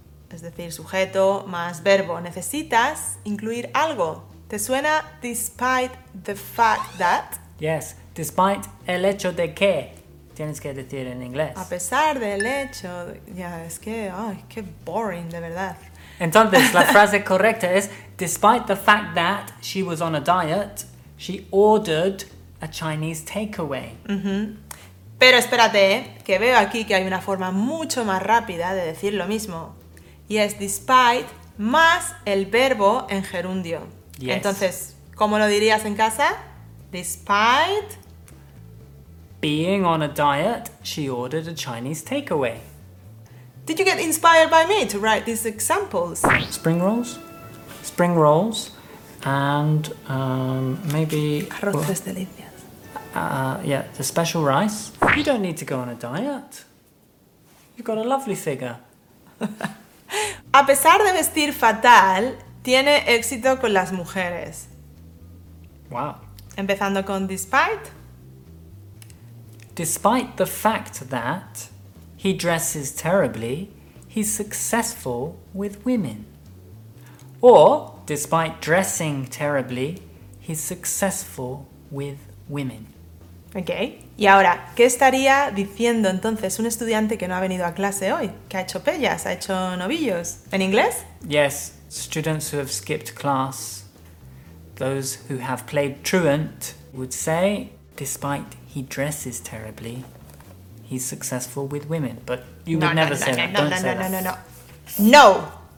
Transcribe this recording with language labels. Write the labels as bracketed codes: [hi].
[es] Es decir, sujeto más verbo. Necesitas incluir algo. [en] ¿Te suena despite the fact that? [es] Yes, despite el hecho de que. Tienes que decir en inglés. A pesar del hecho. Ya, es que, ay, qué boring, de verdad. Entonces, la frase correcta es, [en] despite the fact that she was on a diet, she ordered a Chinese takeaway. Uh-huh. [es] Pero espérate, que veo aquí que hay una forma mucho más rápida de decir lo mismo. Y es despite más el verbo en gerundio. [en] Yes. [es] Entonces, ¿cómo lo dirías en casa? Despite [en] being on a diet, she ordered a Chinese takeaway. Did you get inspired by me to write these examples? Spring rolls, and maybe... [es] Arroces delicias. [en] Yeah, the special rice. You don't need to go on a diet. You've got a lovely figure. [es] A pesar de vestir fatal, tiene éxito con las mujeres. [en] Wow. [es] Empezando con despite. [en] Despite the fact that he dresses terribly, he's successful with women. Or, despite dressing terribly, he's successful with women. Okay. [es] Y ahora, ¿qué estaría diciendo entonces un estudiante que no ha venido a clase hoy? ¿Que ha hecho pellas? ¿Ha hecho novillos? ¿En inglés? [en] Yes, students who have skipped class, those who have played truant, would say, despite he dresses terribly, he's successful with women, but you would never say that. [es] No.